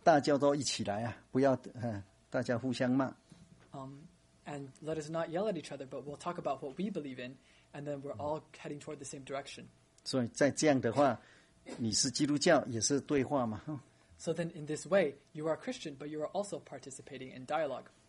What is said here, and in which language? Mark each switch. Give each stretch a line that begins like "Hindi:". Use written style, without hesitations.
Chinese: 所以他们是你讲你的，我讲我的，大家都一起来啊，不要大家互相骂。
English: And let us not yell at each other, but we'll talk about what we believe in, and then we're all heading toward the same direction.
Chinese: 所以在这样的话，你是基督教，也是对话嘛。
English: So then in this way, you are a Christian, but you are also participating in dialogue.